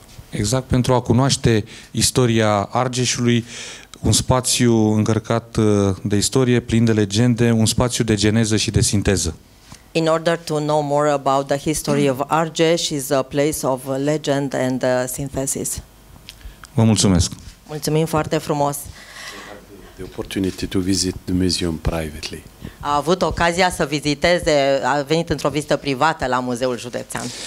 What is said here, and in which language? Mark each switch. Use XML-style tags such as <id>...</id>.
<ro>Exact, pentru a cunoaște istoria Argeșului, un spațiu încărcat de istorie, plin de legende, un spațiu de geneză și de sinteză.</ro> <en>In order to know more about the history of Argeș, is a place of legend and synthesis.</en> <ro>Vă mulțumesc. Mulțumim foarte frumos.</ro> <en>The opportunity to visit the museum privately.</en> <ro>A avut ocazia să viziteze, a venit într-o vizită privată la Muzeul Județean.</ro>